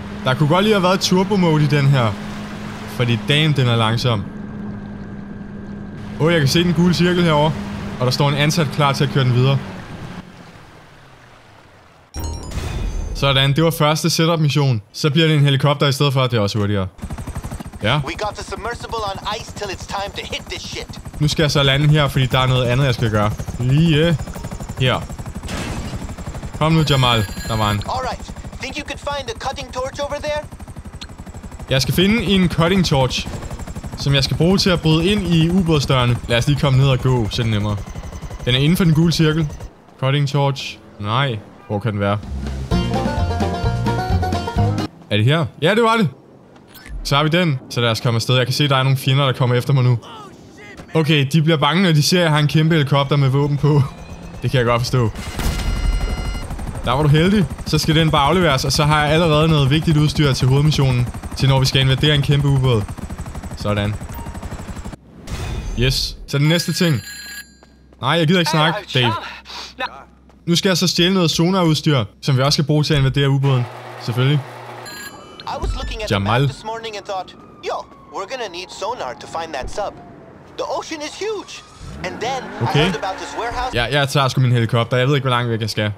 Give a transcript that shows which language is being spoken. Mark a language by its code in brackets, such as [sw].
[da] Der kunne godt lige have været turbo mode i den her. Fordi damn, den er langsom. Jeg kan se den gule cirkel herover, og der står en ansat klar til at køre den videre. Sådan, det var første setup mission. Så bliver det en helikopter i stedet for, at det er også hurtigere. Ja. [en] We got the submersible on ice till it's time to hit this shit. [da] Nu skal jeg så lande her, fordi der er noget andet, jeg skal gøre. Lige her. Kom nu, Jamal. Der var en. [en] All right. Think you could find a cutting torch over there? [da] Jeg skal finde en cutting torch. Som jeg skal bruge til at bryde ind i ubådsdørene. Lad os lige komme ned og gå, så det nemmere. Den er inden for den gule cirkel. Cutting torch. Nej. Hvor kan den være? Er det her? Ja, det var det. Så har vi den. Så lad os komme afsted. Jeg kan se, at der er nogle fjender, der kommer efter mig nu. Okay, de bliver bange, når de ser, at jeg har en kæmpe helikopter med våben på. Det kan jeg godt forstå. Der var du heldig. Så skal den bare afleveres, og så har jeg allerede noget vigtigt udstyr til hovedmissionen. Til når vi skal invadere en kæmpe ubåd. Sådan. Yes. Så den næste ting. Nej, jeg gider ikke snakke, Dave. Nu skal jeg så stjæle noget sonarudstyr, som vi også skal bruge til at invadere ubåden. selvfølgelig. [en] I was looking at the map this morning and thought, yo, we're gonna need sonar to find that sub. The ocean is huge. And then okay. I heard about this warehouse. [da] Ja, jeg tager sgu min helikopter. Jeg ved ikke, hvor langt væk jeg skal.